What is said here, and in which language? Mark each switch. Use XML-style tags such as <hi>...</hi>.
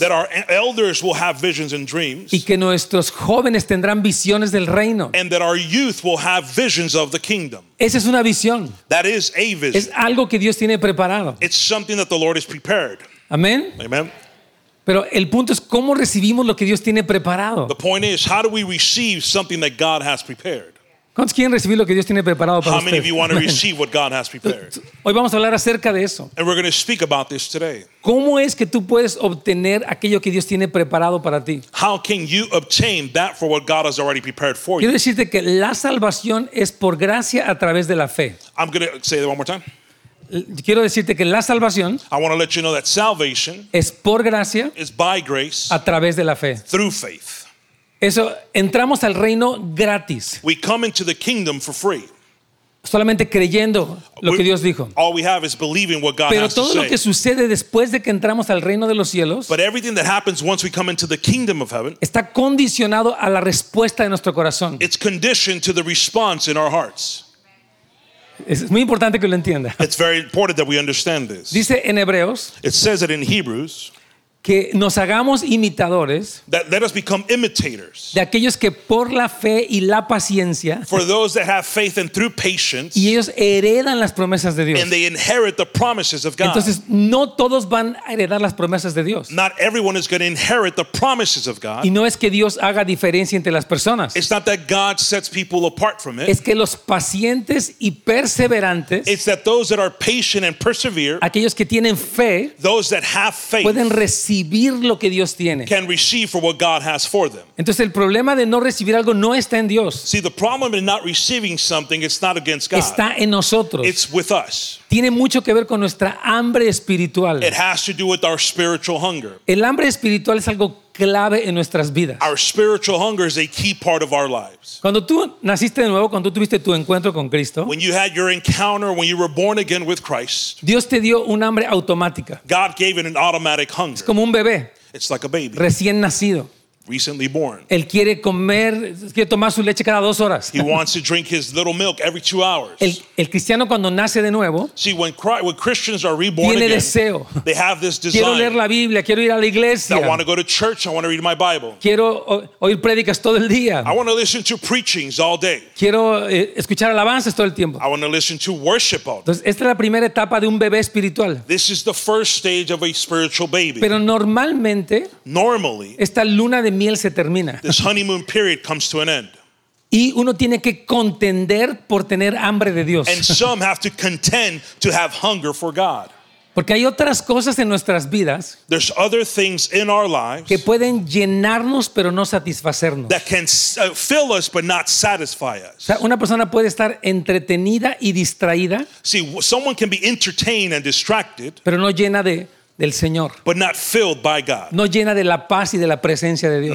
<en>That our elders will have visions and dreams.</en> <es>Y que nuestros jóvenes tendrán visiones del reino.</es> <en>And that our youth will have visions of the kingdom.</en> <es>Esa es una visión.</es> <en>That is a vision.</en> <es>Es algo que Dios tiene preparado.</es> <en>It's something that the Lord has prepared.</en> <es>Amén.</es> <en>Amen.</en> <es>Pero el punto es cómo recibimos lo que Dios tiene preparado.</es> <en>The point is, how do we receive something that God has prepared?</en> <es>¿Cuántos quieren recibir lo que Dios tiene preparado para</es> <en>how</en> <es>usted?</es> <en>How many of you want to receive what God has prepared?</en> <es>Hoy vamos a hablar acerca de eso.</es> <en>And we're going to speak about this today.</en> <es>¿Cómo es que tú puedes obtener aquello que Dios tiene preparado para ti?</es> <en>How can you obtain that for what God has already prepared for you?</en> <es>Quiero decirte que la salvación es por gracia a través de la fe.</es> <en>I'm going to say that one more time.</en> <es>Quiero decirte que la salvación</es> <en>I want to let you know that salvation</en> <es>es por gracia</es> <en>is by grace</en> <es>a través de la fe.</es> <en>Through faith.</en> <es>Eso, entramos al reino gratis.</es> <en>We come into the kingdom for free.</en> <es>Solamente creyendo lo que Dios dijo.</es> <en>All we have is believing what God</en> <es>Pero</es> <en>has</en> <es>todo</es> <en>to</en> <es>lo</es> <en>say.</en> <es>Que sucede después de que entramos al reino de los cielos</es> <en>But everything that happens once we come into the kingdom of heaven,</en> <es>está condicionado a la respuesta de nuestro corazón.</es> <en>It's conditioned to the response in our hearts.</en> <es>Es muy importante que lo entienda.</es> <en>It's very important that we understand this.</en> <es>Dice en Hebreos,</es> <en>it says it in Hebrews,</en> <es>que nos hagamos imitadores,</es> <en>that let us become imitators,</en> <es>de aquellos que por la fe y la paciencia,</es> <en>for those that have faith and through patience,</en> <es>y ellos heredan las promesas de Dios,</es> <en>and they inherit the promises of God.</en> <es>Entonces, no todos van a heredar las promesas de Dios.</es> <en>Not everyone is going to inherit the promises of God.</en> <es>Y no es que Dios haga diferencia entre las personas.</es> <en>It's not that God sets people apart from it.</en> <es>Es que los pacientes y perseverantes,</es> <en>it's that those that are patient and persevere,</en> <es>aquellos que tienen fe,</es> <en>those that have faith,</en> <es>pueden recibir lo que Dios tiene.</es> <en>Can receive for what God has for them.</en> <es>Entonces el problema de no recibir algo no está en Dios.</es> <en>See, the problem in not receiving something, it's not against God.</en> <es>Está en nosotros.</es> <en>It's with us.</en> <es>Tiene mucho que ver con nuestra hambre espiritual.</es> <en>It has to do with our spiritual hunger.</en> <es>El hambre espiritual es algo clave en nuestras vidas.</es> <en>Our spiritual hunger is a key part of our lives.</en> <es>Cuando tú naciste de nuevo, cuando tú tuviste tu encuentro con Cristo,</es> <en>when you had your encounter, when you were born again with Christ,</en> <es>Dios te dio un hambre automática.</es> <en>God gave it an automatic hunger.</en> <es>Es como un bebé.</es> <en>It's like a baby.</en> <es>Recién nacido.</es> <en>recently born.</en> <es>Él quiere comer, quiere tomar su leche cada dos horas.</es> <en>He wants to drink his little milk every two hours.</en> <es>El cristiano cuando nace de nuevo,</es> <en>see, when Christians are reborn</en> <es>tiene</es> <en>again,</en> <es>deseo.</es> <en>They have this desire.</en> <es>Quiero leer la Biblia, quiero ir a la iglesia.</es> <en>I want to go to church, I want to read my Bible.</en> <es>Quiero oír prédicas todo el día.</es> <en>I want to listen to preachings all day.</en> <es>Quiero escuchar alabanzas todo el tiempo.</es> <en>I want to listen to worship all day.</en> <es>Entonces, esta es la primera etapa de un bebé espiritual.</es> <en>This is the first stage of a spiritual baby.</en> <es>Pero normalmente,</es> <en>normally,</en> <es>esta luna de miel se termina.</es> <en>This honeymoon period comes to an end.</en> <es>Y uno tiene que contender por tener hambre de Dios.</es> <en>And some have to contend to have hunger for God.</en> <es>Porque hay otras cosas en nuestras vidas,</es> <en>there's other things in our lives,</en> <es>que pueden llenarnos pero no satisfacernos.</es> <en>That can fill us but not satisfy us.</en> <es>O sea, una persona puede estar entretenida y distraída,</es> <en>see, someone can be entertained and distracted,</en> <es>pero no llena de del Señor.</es> <en>But not filled by God.</en> <es>No llena de la paz y de la presencia de Dios.</es>